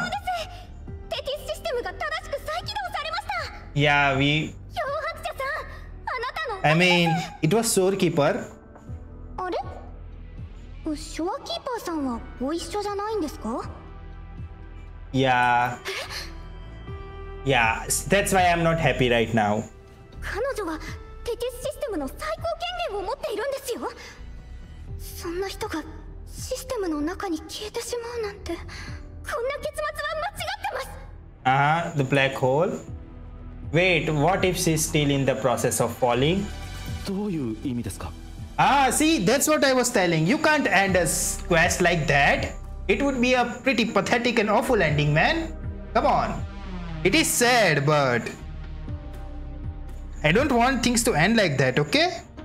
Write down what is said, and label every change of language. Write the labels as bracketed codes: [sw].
[ja] そうです。テティスシステムが正しく再起動されました。 [en] Yeah, we. [ja] 漂白者さん、あなたの。 [en] I mean, it was Shorekeeper. [ja] あれ？ショアキーパーさんはご一緒じゃないんですか [en] ？Yeah. Yeah, that's why I'm not happy right now. [ja] 彼女はテティスシステムの最高権限を持っているんですよ。そんな人がシステムの中に消えてしまうなんて、こんな結末は間違ってます。 [en] The black hole? Wait, what if she's still in the process of falling? [ja] どういう意味ですか? [en] See, that's what I was telling. You can't end a quest like that. It would be a pretty pathetic and awful ending, man. Come on. It is sad, but I don't want things to end like that, okay?